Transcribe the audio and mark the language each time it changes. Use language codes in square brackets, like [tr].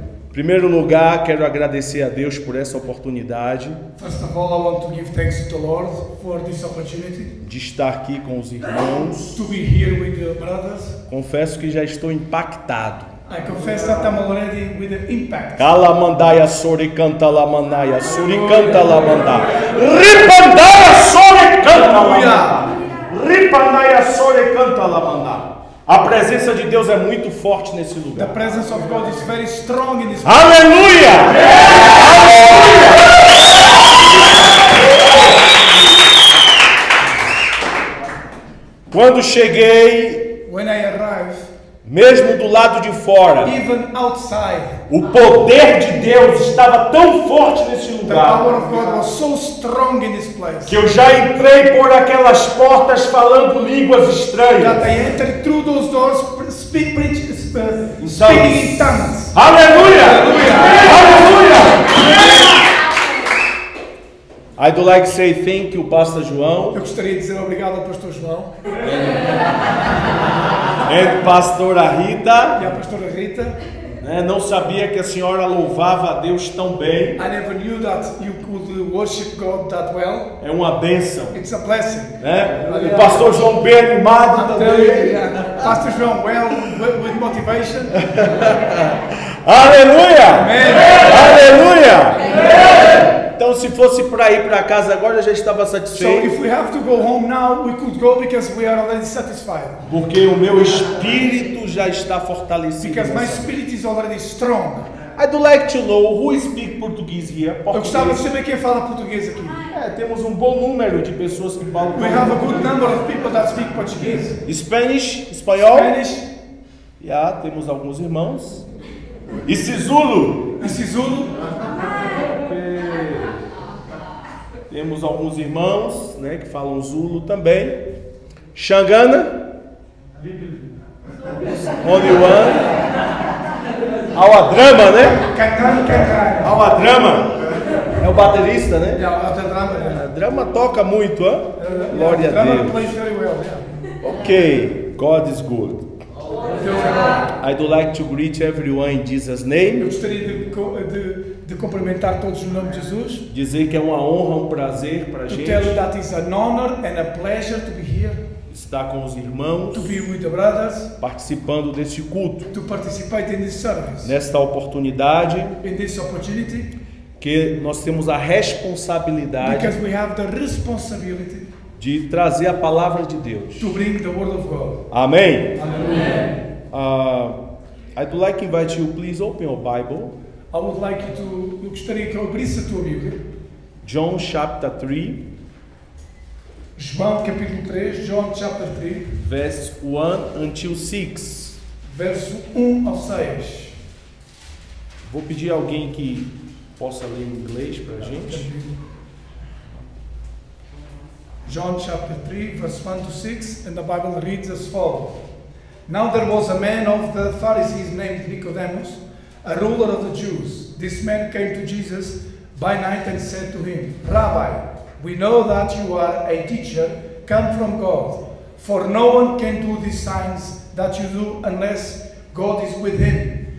[pt] Em primeiro lugar, quero agradecer a Deus por essa oportunidade. [en] First of all, I want to give thanks to the Lord for this opportunity. [pt] De estar aqui com os irmãos. [en] To be here with the brothers. [pt] Confesso que já estou impactado. [en] I confess that I'm already with the impact. Kala mandaya sori kanta la mandaya sori kanta la manda. Ripandaya sori kanta la manda. Ripandaya sori kanta la manda. [pt] A presença de Deus é muito forte nesse lugar. [en] The presence of God is very strong in this place. [pt] Aleluia! Quando cheguei, [en] when I arrive, [pt] mesmo do lado de fora, [en] even outside, [pt] o poder de Deus estava tão forte nesse lugar. [en] The power of God was so strong in this place. [pt] Que eu já entrei por aquelas portas falando línguas estranhas. [en] That I entered through those doors speaking in tongues. [pt] Aleluia! Aleluia! [en] I'd like to say thank you, Pastor João. [pt] Eu gostaria de dizer obrigado ao Pastor João. [en] And Pastora Rita. [pt] E a Pastora Rita. Né, não sabia que a senhora louvava a Deus tão bem. [en] I never knew that you could worship God that well. [pt] É uma bênção. [en] It's a blessing. [pt] Né? O Pastor João bem animado também. [en] Pastor João well with motivation. [pt] Aleluia! [en] Amen. [pt] Aleluia! [en] Amen. [pt] Então, se fosse para ir para casa agora, já estava satisfeito. [en] So, if we have to go home now, we could go because we are already satisfied. [pt] Porque o meu espírito já está fortalecido. [en] Because my spirit is already strong. I'd like to know who speaks Portuguese here. [pt] Eu gostava de saber quem fala português aqui. É, temos um bom número de pessoas que falam. [en] We have a good number of people that speak Portuguese. Spanish, espanhol. Spanish. Yeah, [pt] temos alguns irmãos. E Sisulu. E Sisulu. Temos alguns irmãos, né, que falam Zulu também. Xangana? [en] Only one. Awa Drama, [pt] né? Catano, Catano. Awa Drama. É o baterista, né? [en] Yeah, drama, yeah. [pt] A drama toca muito, hein? [en] Yeah, [pt] glória drama a Deus. [en] Plays very well, yeah. Ok. God is good. I'd like to greet everyone in Jesus' name. [pt] Eu gostaria de cumprimentar todos no nome de Jesus. Dizer que é uma honra, um prazer para a gente. [en] To tell you that it's an honor and a pleasure to be here. [pt] Estar com os irmãos. [en] To be with the brothers. [pt] Participando desse culto. [en] To participate in this service. [pt] Nesta oportunidade. [en] In this opportunity. [pt] Que nós temos a responsabilidade. [en] Because we have the responsibility. [pt] De trazer a palavra de Deus. [en] To bring the word of God. [pt] Amém. Amém. [en] I'd like to invite you, please open your Bible. I would like to. [pt] Eu gostaria que eu abrisse a tua Bíblia. [en] John chapter 3. [pt] João capítulo 3. [en] John chapter 3. Verse 1 until 6. [pt] Verso 1 ao 6. Vou pedir alguém que possa ler em inglês para a gente. [en] John chapter 3, verse 1 to 6, and the Bible reads as follows. Now there was a man of the Pharisees named Nicodemus, a ruler of the Jews. This man came to Jesus by night and said to him, Rabbi, we know that you are a teacher, come from God, for no one can do these signs that you do unless God is with him.